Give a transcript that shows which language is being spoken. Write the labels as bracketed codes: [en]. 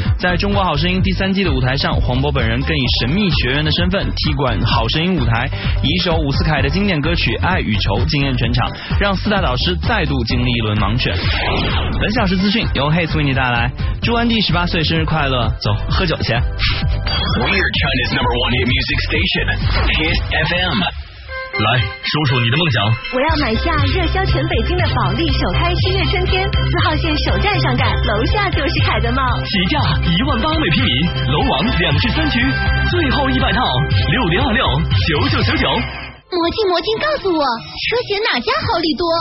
[zh] 在《中国好声音》第三季的舞台上，黄渤本人更以神秘学员的身份踢馆《好声音》舞台，以一首伍思凯的经典歌曲《爱与愁》惊艳全场，让四大导师再度经历一轮盲选。本小时资讯由 Hayes 为你带来，祝安迪18岁生日快乐，走，喝酒去。 [en] We're China's number one hit music station, Hit FM. [zh] 来，说说你的梦想。我要买下热销全北京的保利首开新悦春天，4号线首站上盖，楼下就是凯德茂，起价18000每平米，楼王2至3区，最后100套6026-9999。魔镜魔镜告诉我，车险哪家好利多？